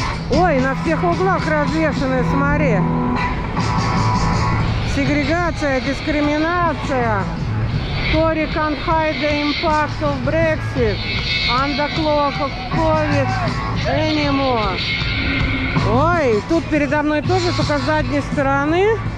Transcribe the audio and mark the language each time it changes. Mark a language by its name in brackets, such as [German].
[Russian] Ой, на всех углах развешаны, смотри. Сегрегация, дискриминация. [English] Tory can't hide the impact of Brexit. Under cloak of COVID anymore. [Russian] Ой, тут передо мной тоже, только с задней стороны.